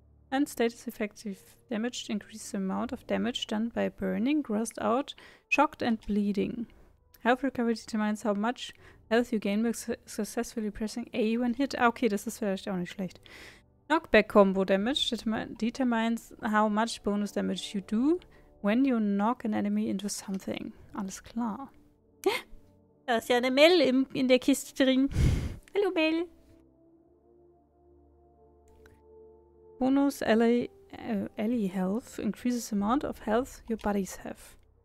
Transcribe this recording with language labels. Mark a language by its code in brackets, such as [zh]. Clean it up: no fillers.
[en] And status effects if damaged increase the amount of damage done by burning, grossed out, shocked and bleeding. Health recovery determines how much health you gain by successfully pressing A when hit. [de] Okay, das ist vielleicht auch nicht schlecht. [en] Knockback combo damage determines how much bonus damage you do when you knock an enemy into something. [de] Alles klar. Da ist ja eine Mel in der Kiste drin. Hallo Mel. [en] Bonus ally health increases the amount of health your buddies have.